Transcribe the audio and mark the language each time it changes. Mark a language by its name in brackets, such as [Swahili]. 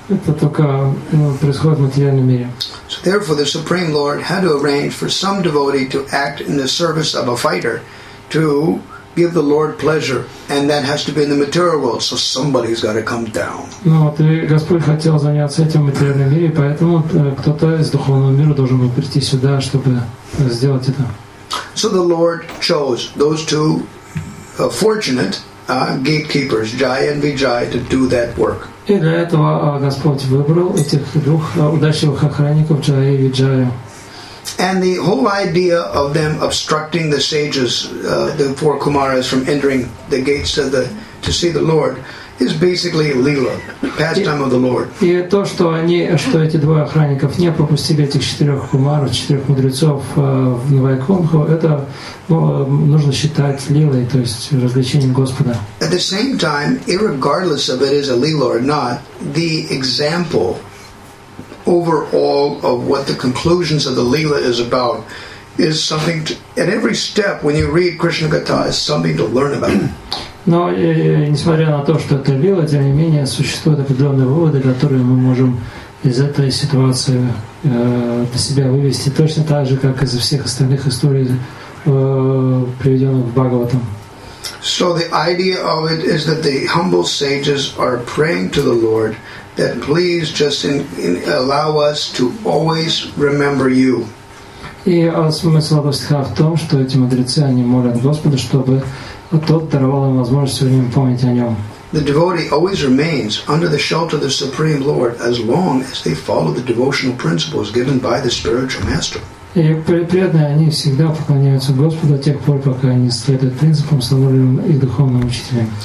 [Russian] Это только происходит в материальном мире. [English] So therefore, the Supreme Lord had to arrange for some devotee to act in the service of a fighter to give the Lord pleasure, and that has to be in the material world. So somebody's got to come down. [Russian] Ну, вот, Господь хотел заняться этим в материальном мире, поэтому кто-то из духовного мира должен был прийти сюда, чтобы сделать это. [English] So the Lord chose those two fortunate gatekeepers, Jaya and Vijaya, to do that work. [Russian] И для этого Господь выбрал этих двух удачливых охранников, Джая и Виджая. [English] And the whole idea of them obstructing the sages, the four Kumaras, from entering the gates of the to see the Lord is basically lila, pastime of the Lord. [Russian] И то, что они, что эти двое охранников не пропустили этих четырех кумаров, четырех мудрецов в Вайкунху, это нужно считать лилой, то есть развлечением Господа. [English] At the same time, irregardless of it is a lila or not, the example overall of what the conclusions of the lila is about is something to, at every step when you read Krishna Gatha is something to learn about. [Russian] Но несмотря на то, что это лила, тем не менее существуют определенные выводы, которые мы можем из этой ситуации для себя вывести, точно так же, как из всех остальных историй, приведенных в Бхагаватам. [English] So the idea of it is that the humble sages are praying to the Lord that please just allow us to always remember you. [Russian] И смысл стиха в том, что эти мудрецы, они молят Господа, чтобы Тот даровал им возможность все время помнить о нем. [English] The devotee always remains under the shelter of the Supreme Lord as long as they follow the devotional principles given by the spiritual master. [Russian] И преданные, они всегда поклоняются Господу до тех пор, пока они следуют принципам, установленным их духовным учителем.